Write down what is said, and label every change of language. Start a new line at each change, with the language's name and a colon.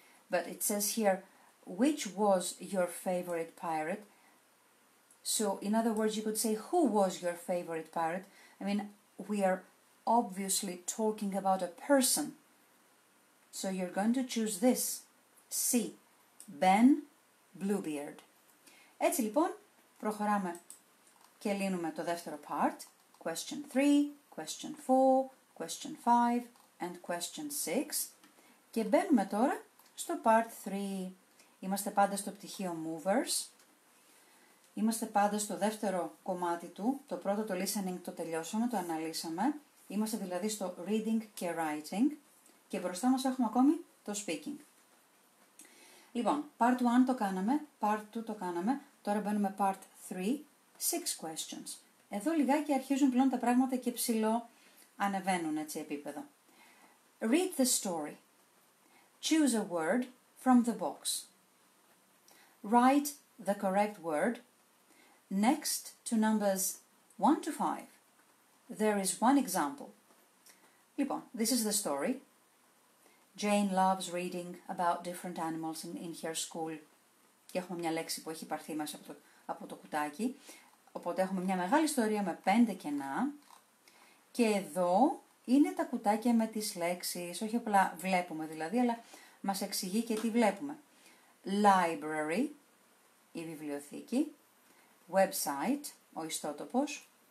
English: But it says here, which was your favorite pirate? So, in other words, you could say, who was your favorite pirate? I mean, we are obviously talking about a person. So you're going to choose this. C. Ben Bluebeard.
Greek: Έτσι λοιπόν, προχωράμε και λύνουμε το δεύτερο part.
English: Question 3, question 4, question 5 and question 6.
Greek: Και μπαίνουμε τώρα στο part 3. Είμαστε πάντα στο πτυχίο movers. Είμαστε πάντα στο δεύτερο κομμάτι του. Το πρώτο, το listening, το τελειώσαμε, το αναλύσαμε. Είμαστε δηλαδή στο reading και writing. Και μπροστά μας έχουμε ακόμη το speaking. Λοιπόν, part 1 το κάναμε, part 2 το κάναμε. Τώρα μπαίνουμε part 3, 6 questions. Εδώ λιγάκι αρχίζουν πλέον τα πράγματα και ψηλό ανεβαίνουν έτσι επίπεδο.
English: Read the story. Choose a word from the box. Write the correct word next to numbers 1 to 5. there is one example. Λοιπόν, this is the story. Jane loves reading about different animals in her school.
Greek: Και έχουμε μια λέξη που έχει πάρθει μέσα από το κουτάκι. Οπότε έχουμε μια μεγάλη ιστορία με 5 κενά. Και εδώ είναι τα κουτάκια με τις λέξεις. Όχι απλά βλέπουμε δηλαδή, αλλά μας εξηγεί και τι βλέπουμε. Library, η βιβλιοθήκη. Website, ο ιστότοπος.